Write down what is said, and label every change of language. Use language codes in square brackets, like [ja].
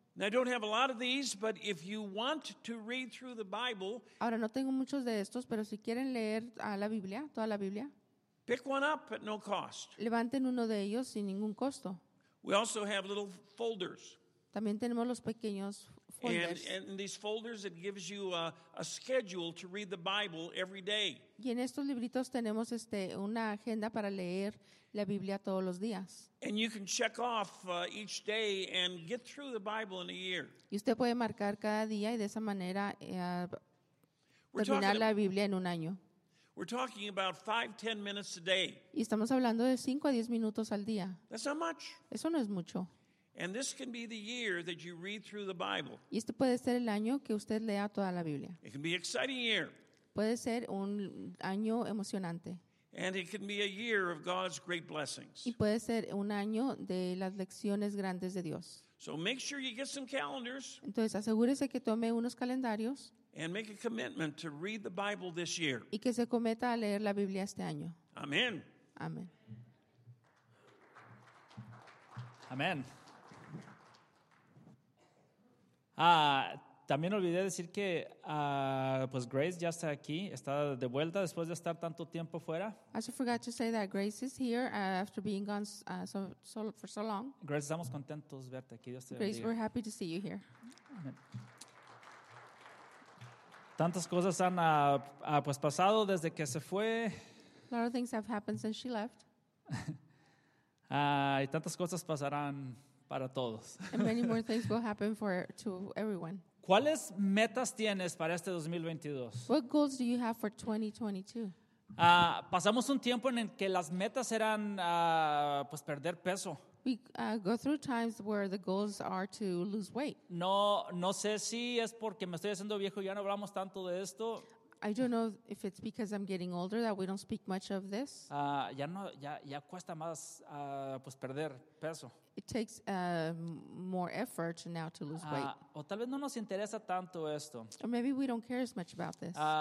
[en] Now, I don't have a lot of these, but if you want to read through the Bible, [es] ahora no tengo muchos de estos, pero si quieren leer a la Biblia, toda la Biblia, [en] pick one up at no cost. [es] Levanten uno de ellos sin ningún costo. [en] We also have little folders. [es] También tenemos los pequeños folders. [en] And in these folders, it gives you a schedule to read the Bible every day. [es] Y en estos libritos tenemos una agenda para leer la Biblia todos los días. [en] And you can check off each day and get through the Bible in a year. [es] Y usted puede marcar cada día y de esa manera terminar la Biblia en un año. [en] We're talking about 5-10 minutes a day. [es] Y estamos hablando de 5-10 minutos al día. [en] That's not much. [es] Eso no es mucho. [en] And this can be the year that you read through the Bible. [es] Y este puede ser el año que usted lea toda la Biblia. [en] It can be an exciting year. [es] Puede ser un año emocionante. [en] And it can be a year of God's great blessings. [es] Y puede ser un año de las lecciones grandes de Dios. [en] So make sure you get some calendars. [es] Entonces asegúrese que tome unos calendarios. [en] And make a commitment to read the Bible this year. [es] Y que se cometa a leer la Biblia este año. Amen. Amen. Amen. También olvidé decir que pues Grace ya está aquí, está de vuelta después de estar tanto tiempo fuera. [en] I also forgot to say that Grace is here after being gone so for so long. [es] Grace, estamos contentos de verte aquí. Dios te Grace, bendiga. [en] We're happy to see you here. Amen. [es] Tantas cosas han pues pasado desde que se fue. [en] A lot of things have happened since she left. [es] Y tantas cosas pasarán para todos. [en] And many more things will happen to everyone. [es] ¿Cuáles metas tienes para este 2022? [en] What goals do you have for 2022? [es] Pasamos un tiempo en el que las metas eran pues perder peso. [en] We go through times where the goals are to lose weight. [es] No sé si es porque me estoy haciendo viejo y ya no hablamos tanto de esto. [en] I don't know if it's because I'm getting older that we don't speak much of this. [es] Ya cuesta más pues perder peso. [en] It takes more effort now to lose weight. [es] O tal vez no nos interesa tanto esto. [en] Or maybe we don't care as much about this.